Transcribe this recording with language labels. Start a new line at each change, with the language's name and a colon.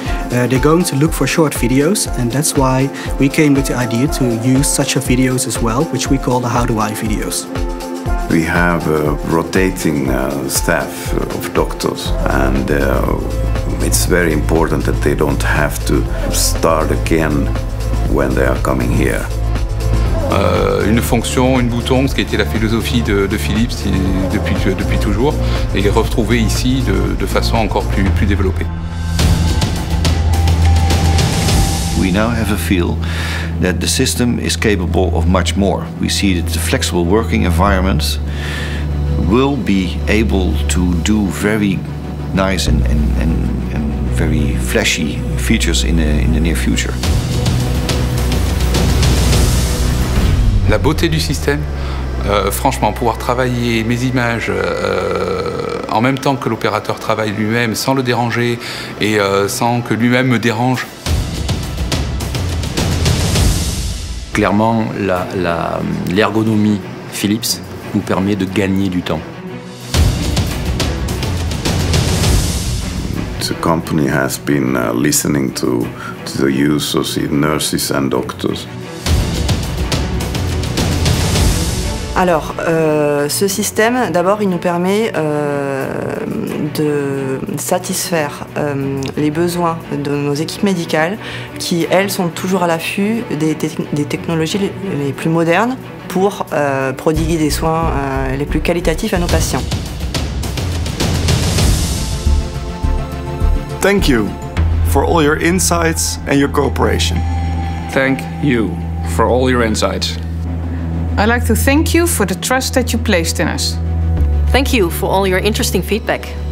English: They're going to look for short videos, and that's why we came with the idea to use such a videos as well, which we call the How Do I videos. We have a rotating staff of doctors, and it's very important that they don't have to start again when they are coming here.
French: Une fonction, un bouton, ce qui était la philosophie de Philips depuis toujours, et retrouver ici de façon encore plus développée.
English: We now have a feel that the system is capable of much more. We see that the flexible working environments will be able to do very nice and very flashy features in the near future.
French: La beauté du système, franchement, pouvoir travailler mes images en même temps que l'opérateur travaille lui-même, sans le déranger et sans que lui-même me dérange. Clairement, l'ergonomie Philips nous permet de gagner du temps.
English: The company has been listening to the users, nurses and doctors.
French: Alors, ce système, d'abord, il nous permet de satisfaire les besoins de nos équipes médicales qui, elles, sont toujours à l'affût des technologies les plus modernes pour prodiguer des soins les plus qualitatifs à nos patients.
English: Thank you for all your insights and your cooperation. Thank you for all your insights. I'd like to thank you for the trust that you placed in us. Thank you for all your interesting feedback.